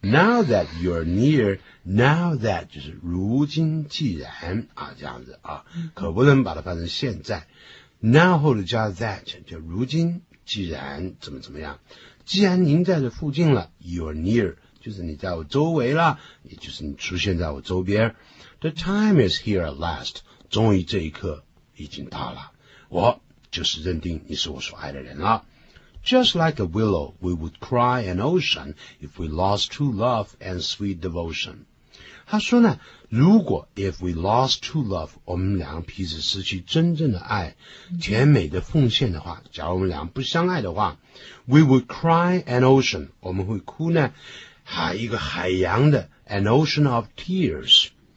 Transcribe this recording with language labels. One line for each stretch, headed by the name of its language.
English: Now that you're near, now that
Chinese: 就是如今既然啊，这样子啊，可不能把它翻成现在。 Now 后头加 that 就如今既然怎么怎么样，既然您在这附近了 ，
English: you're near
Chinese: 就是你在我周围了，也就是你出现在我周边。
English: The time is here at last，
Chinese: 终于这一刻。已经到了，我就是认定你是我所爱的人了。
English: Just like a willow, we would cry an ocean if we lost true love and sweet devotion.
Chinese: 他说呢，如果
English: if we lost true love,
Chinese: 我们俩彼此失去真正的爱，甜美的奉献的话，假如我们俩不相爱的话 ，
English: we would cry an ocean，
Chinese: 我们会哭呢，一个海洋的
English: an ocean of tears。